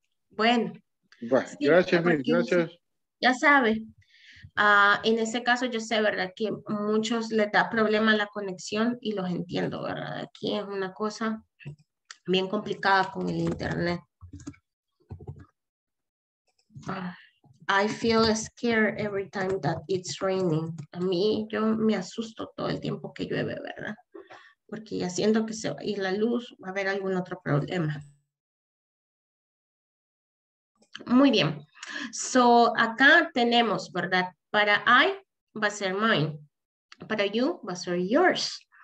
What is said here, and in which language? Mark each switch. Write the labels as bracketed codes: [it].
[es] Bueno. Sí, gracias, gracias. Ya sabe, en ese caso yo sé, ¿verdad? Que muchos le da problema la conexión y los entiendo, ¿verdad? Aquí es una cosa bien complicada con el internet. [en] I feel scared every time that it's raining. [es] A mí, yo me asusto todo el tiempo que llueve, ¿verdad? Porque ya siento que se va a ir la luz, va a haber algún otro problema. Muy bien. So, acá tenemos, ¿verdad? Para I, va a ser mine. Para you, va a ser yours.